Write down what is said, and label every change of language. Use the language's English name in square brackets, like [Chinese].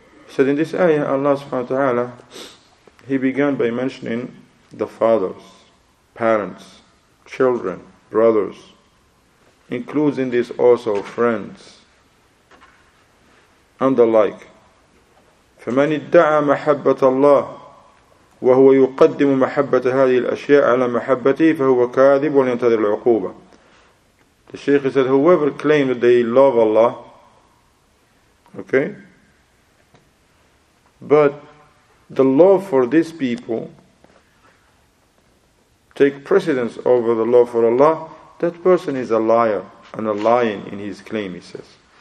[English] He said in this ayah, Allah subhanahu wa ta'ala, he began by mentioning the fathers, parents, children, brothers, includes in this also friends, and the like. [Arabic] فمن ادعى محبة الله وهو يقدم محبة هذه الأشياء على محبته فهو كاذب ولينتظر العقوبة. [English] The Shaykh said, whoever claimed that they love Allah, okay, but the love for these people take precedence over the love for Allah, that person is a liar and a lying in his claim, he says.